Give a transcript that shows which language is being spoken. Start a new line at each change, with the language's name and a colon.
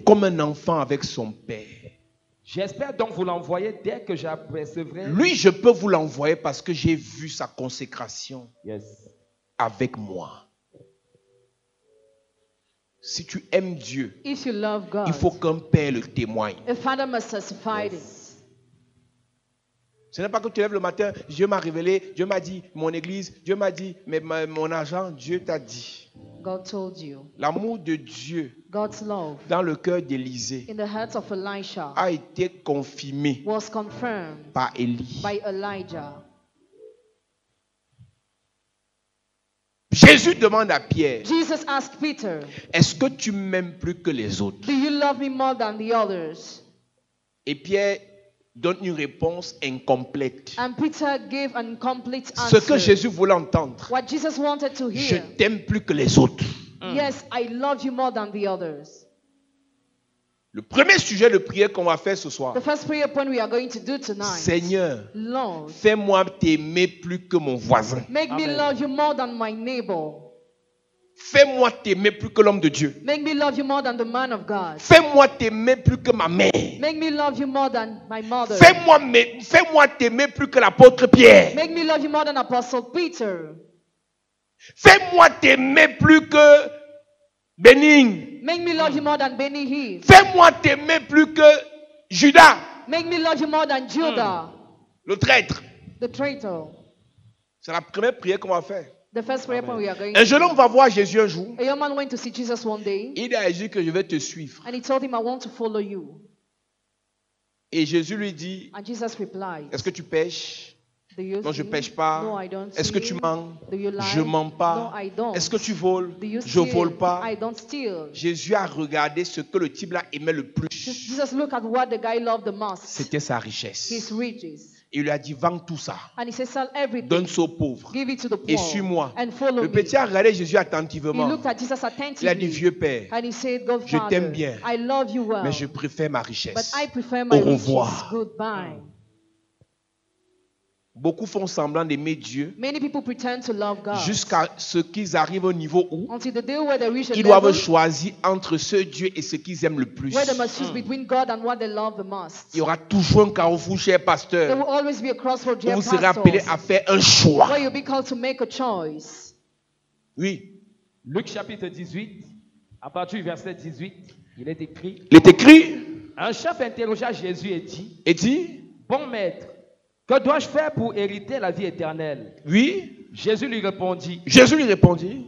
French: Comme un enfant avec son père. J'espère donc vous l'envoyer dès que j'apercevrai. Lui, je peux vous l'envoyer parce que j'ai vu sa consécration.
English: Yes.
French: Avec moi. Si tu aimes Dieu,
English: if you love God,
French: il faut qu'un père le témoigne.
English: A father must testify this.
French: Ce n'est pas que tu lèves le matin, Dieu m'a révélé, Dieu m'a dit, mon église, Dieu m'a dit, mais mon argent, Dieu t'a dit.
English: God told you.
French: L'amour de Dieu
English: God's love
French: dans le cœur d'Élisée
English: in the heart of Elisha
French: a été confirmé
English: was confirmed
French: par Élie.
English: By Elijah.
French: Jésus demande à Pierre,
English: Jesus asked Peter,
French: est-ce que tu m'aimes plus que les autres?
English: Do you love me more than the others?
French: Et Pierre donne une réponse incomplète.
English: And Peter gave an incomplete answer.
French: Ce que Jésus voulait entendre,
English: what Jesus wanted to hear,
French: je t'aime plus que les autres. Mm.
English: Yes, I love you more than the others.
French: Le premier sujet de prière qu'on va faire ce soir.
English: The first prayer point we are going to do tonight.
French: Seigneur,
English: Lord,
French: fais-moi t'aimer plus que mon voisin.
English: Make Amen. Me love you more than my neighbor.
French: Fais-moi t'aimer plus que l'homme de Dieu.
English: Make me love you more than the man of God.
French: Fais-moi t'aimer plus que ma mère.
English: Make me love you more than my mother.
French: Fais-moi t'aimer plus que l'apôtre Pierre.
English: Make me love you more than Apostle Peter.
French: Fais-moi t'aimer plus que Bénigne.
English: Make me love you more than Benny Hill.
French: Fais-moi t'aimer plus que Judas.
English: Make me love you more than Judah.
French: Le traître.
English: The traitor.
French: C'est la première prière qu'on va faire.
English: The first prayer point we are going
French: un jeune homme va voir Jésus un jour.
English: A young man went to see Jesus one day.
French: Il dit à Jésus que je vais te suivre.
English: And he told him, I want to follow you.
French: Et Jésus lui dit,
English: and Jesus replied,
French: est-ce que tu pêches?
English: Do you
French: non, je ne pêche pas.
English: No, I don't.
French: Est-ce que tu mens?
English: Do you lie?
French: Je ne mens pas.
English: No, I don't.
French: Est-ce que tu voles?
English: Do you steal?
French: Je ne vole pas.
English: I don't steal.
French: Jésus a regardé ce que le type-là aimait le plus.
English: Jesus looked at what the guy loved the most.
French: C'était sa richesse.
English: His riches.
French: Il lui a dit, vends tout ça.
English: And he says, sell everything.
French: Donne ça aux pauvres.
English: Give it to the poor.
French: Et suis-moi.
English: And follow
French: le petit a regardé Jésus attentivement.
English: He looked at Jesus attentively.
French: Il a dit, vieux père,
English: and he said, God,
French: je
English: Father,
French: t'aime bien,
English: I love you well,
French: mais je préfère ma richesse.
English: But I prefer my
French: au revoir.
English: Riches. Goodbye.
French: Beaucoup font semblant d'aimer Dieu
English: many people pretend to love God,
French: jusqu'à ce qu'ils arrivent au niveau où
English: until the day where they reach
French: ils doivent choisir entre ce Dieu et ce qu'ils aiment le plus.
English: Where they must choose between God and what they love the most.
French: Il y aura toujours un carrefour, cher pasteur,
English: there will always be a crossroad, dear
French: où vous serez appelé à faire un choix.
English: Where you'll be called to make a choice.
French: Oui. Luc chapitre 18, à partir du verset 18, il est écrit. Il est écrit. Un chef interrogea Jésus et dit. Et dit. Bon maître. Que dois-je faire pour hériter la vie éternelle? Oui. Jésus lui répondit. Jésus lui répondit.